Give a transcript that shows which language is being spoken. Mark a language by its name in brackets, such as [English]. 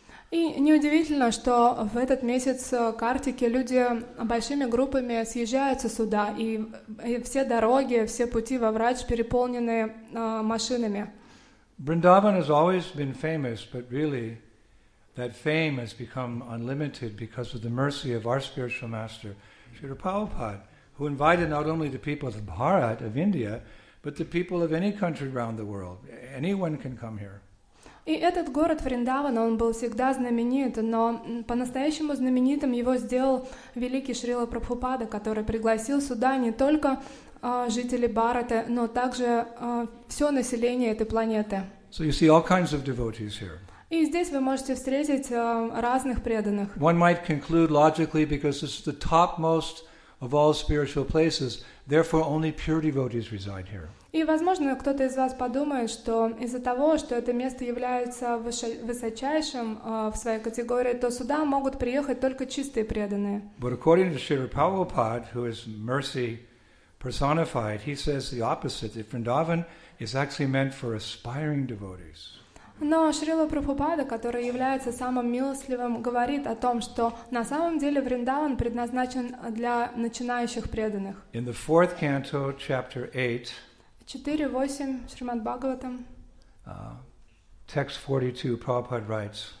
[Russian] И неудивительно, что в этот месяц Картики люди большими группами съезжаются сюда, и все дороги, все пути во Врадж переполнены машинами. [English] Vrindavan has always been famous, but really, that fame has become unlimited because of the mercy of our spiritual master, Srila Prabhupada, who invited not only the people of Bharat, of India, but the people of any country around the world. Anyone can come here. [Russian] И этот город Вриндаван, он был всегда знаменит, но по-настоящему знаменитым его сделал великий Шрила Прабхупада, который пригласил сюда не только жители Бхарата, но также все население этой планеты. [English] So you see all kinds of devotees here. [Russian] И здесь вы можете встретить разных преданных. [English] One might conclude logically because it's the topmost of all spiritual places, therefore only pure devotees reside here. [Russian] И возможно, кто-то из вас подумает, что из-за того, что это место является высочайшим в своей категории, то сюда могут приехать только чистые преданные. [English] But according to Srila Prabhupada, who is mercy personified, he says the opposite. That Vrindavan is actually meant for aspiring devotees. [Russian] Но Шрила Прабхупада, который является самым милостливым, говорит о том, что на самом деле Вриндаван предназначен для начинающих преданных. [English] In the fourth canto, chapter 8, [Russian] 4.8, Шримад Бхагаватам, [English] text 42, Prabhupada writes,